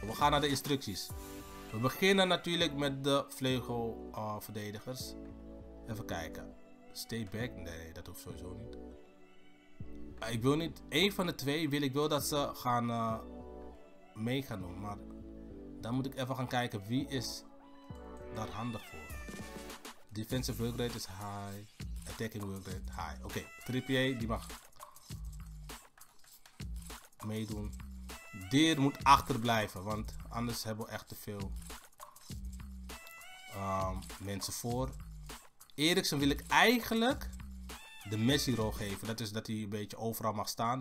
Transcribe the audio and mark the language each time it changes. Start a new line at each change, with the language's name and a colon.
Dutch: We gaan naar de instructies. We beginnen natuurlijk met de vleugelverdedigers. Even kijken.
English: Stay back.
Dutch: Nee, dat hoeft sowieso niet. Ik wil niet. Eén van de twee wil ik wel dat ze gaan mee gaan doen. Maar dan moet ik even gaan kijken wie is daar handig voor.
English: Defensive work rate is high. Attacking work rate high.
Dutch: Oké, Trippier die mag... meedoen. Deer moet achterblijven, want anders hebben we echt te veel mensen voor. Eriksen wil ik eigenlijk de Messi-rol geven. Dat is dat hij een beetje overal mag staan.